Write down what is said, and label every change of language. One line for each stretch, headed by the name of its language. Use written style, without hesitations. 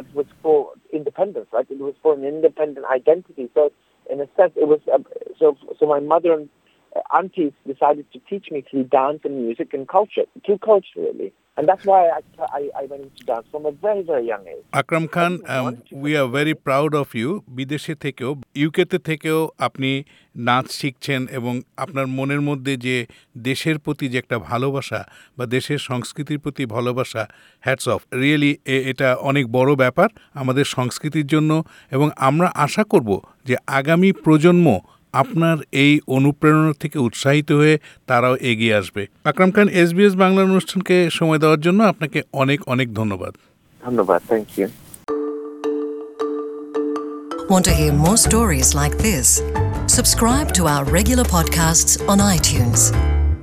English: It was for independence, right? It was for an independent identity. So in a sense, it was so my mother and aunties decided to teach me through dance and music and culture, through culture, really. And that's why I went into dance from a very, very young age. Akram Khan, we are very proud of you.
Bangla: Bideshe thekeo, UK te thekeo, apni নাচ শিখছেন এবং আপনার মনের মধ্যে যে দেশের প্রতি যে একটা ভালোবাসা বা দেশের সংস্কৃতির প্রতি ভালোবাসা,
English: hats off,
Bangla: রিয়েলি এটা অনেক বড় ব্যাপার আমাদের সংস্কৃতির জন্য। এবং আমরা আশা করব যে আগামী প্রজন্ম আপনার এই অনুপ্রেরণা থেকে উৎসাহিত হয়ে তারাও এগিয়ে আসবে। আকরাম খান, SBS বাংলা অনুষ্ঠানকে সময় দেওয়ার জন্য আপনাকে অনেক অনেক ধন্যবাদ। ধন্যবাদ,
English: Thank you. Want to hear more stories like this? Subscribe to our regular podcasts on iTunes.